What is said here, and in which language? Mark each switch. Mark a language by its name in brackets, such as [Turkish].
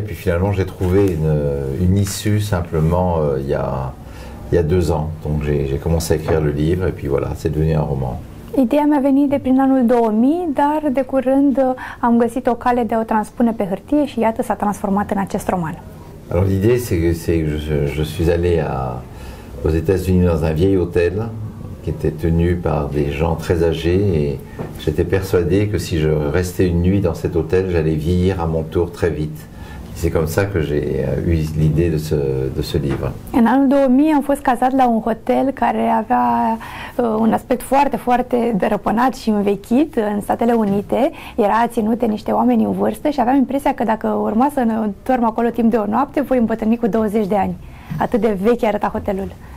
[French] Puis finalement, j'ai trouvé une issue simplement il y a 2 ans. Donc j'ai commencé à écrire le livre et puis voilà, c'est devenu un roman. [Romanian] Ideea mi-a venit de prin anul 2000, dar de curând am găsit o cale de a o transpune pe hârtie și iată s-a transformat în acest roman. [French] Alors l'idée c'est que je suis allé aux États-Unis dans un vieil hôtel qui était tenu par des gens très âgés et j'étais persuadé que si je restais une nuit dans cet hôtel, j'allais vieillir à mon tour très vite. C'est comme ça que j'ai eu l'idée de ce livre. [Romanian] În anul 2000 am fost cazat la un hotel care avea un aspect foarte, foarte dărăpânat și învechit în Statele Unite. Era ținut de niște oameni în vârstă și aveam impresia că dacă urma să dorm acolo timp de o noapte, voi îmbătrâni cu 20 de ani. Atât de vechi arăta hotelul.